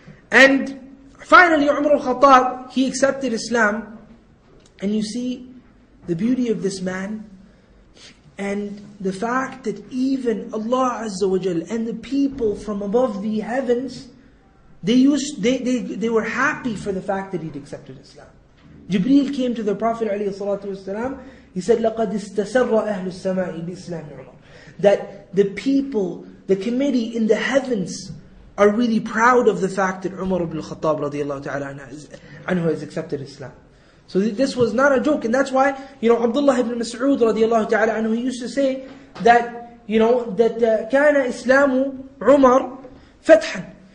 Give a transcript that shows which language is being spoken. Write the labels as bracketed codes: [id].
[en] And finally, Umar al-Khattab, he accepted Islam. And you see the beauty of this man. And the fact that even Allah Azza wa Jal and the people from above the heavens, they were happy for the fact that he'd accepted Islam. Jibreel came to the Prophet [ar] عليه الصلاة والسلام, [en] he said, [ar] لَقَدْ اسْتَسَرَّ أَهْلُ السَّمَاءِ بِإِسْلَامِ عُمَرٍ. [en] That the people, the committee in the heavens, are really proud of the fact that Umar ibn al-Khattab [ar] رضي الله تعالى عنه [en] has accepted Islam. So this was not a joke, and that's why, you know, Abdullah ibn Mas'ud [ar] رضي الله تعالى عنه, [en] he used to say that, you know, that [ar] كَانَ إِسْلَامُ عُمَرْ فَتْحًا.